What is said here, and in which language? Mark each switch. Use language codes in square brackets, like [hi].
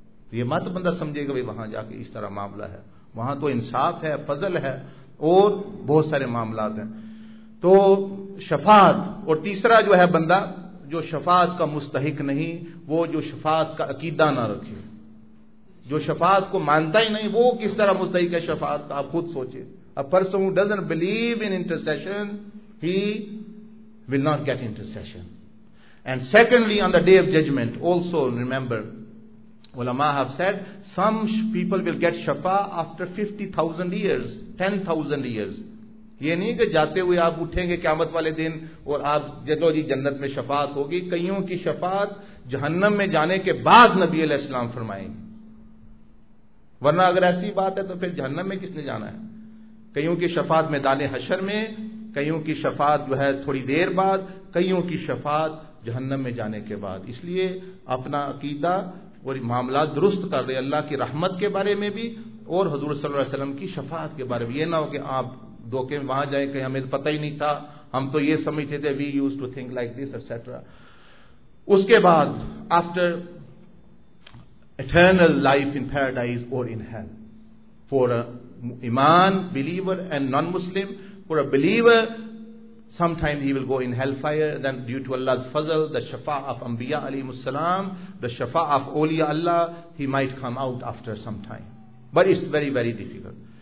[ur] تو یہ مت بندہ سمجھے گا بھائی وہاں جا کے اس طرح معاملہ ہے، وہاں تو انصاف ہے، فضل ہے اور بہت سارے معاملات ہیں. تو شفاعت، اور تیسرا جو ہے بندہ جو شفاعت کا مستحق نہیں، وہ جو شفاعت کا عقیدہ نہ رکھے، جو شفاعت کو مانتا ہی نہیں، وہ کس طرح مستحق ہے شفاعت کا؟ آپ خود سوچیں. [en] A person who doesn't believe in intercession, he will not get intercession. And secondly, on the day of judgment, also remember, ulama have said, some people will get shafa after 50,000 years, 10,000 years. [ur] یہ نہیں کہ جاتے ہوئے آپ اٹھیں گے قیامت والے دن اور آپ جدو جی جنت میں شفاعت ہوگی، کئیوں کی شفاعت جہنم میں جانے کے بعد نبی علیہ السلام فرمائیں گے. ورنہ اگر ایسی بات ہے تو پھر جہنم میں کس نے جانا ہے؟ کئیوں کی شفاعت میدان حشر میں، کئیوں کی شفاعت جو ہے تھوڑی دیر بعد، کئیوں کی شفاعت جہنم میں جانے کے بعد. اس لیے اپنا عقیدہ اور معاملات درست کر رہے اللہ کی رحمت کے بارے میں بھی اور حضور صلی اللہ علیہ وسلم کی شفاعت کے بارے میں. یہ نہ ہو کہ آپ دھوکے میں وہاں جائیں کہ ہمیں پتہ ہی نہیں تھا, ہم تو یہ سمجھتے تھے, [en] We use to think like this etcetera. [ur] اس کے بعد [en] After eternal life in paradise اور in hell for a ایمان believer and non Muslim. For a believer sometimes he will go in hellfire, then due to Allah's fazl, the shafa of anbiya alayhim assalam, the shafa of awliya Allah, he might come out after some time, but it's very very difficult.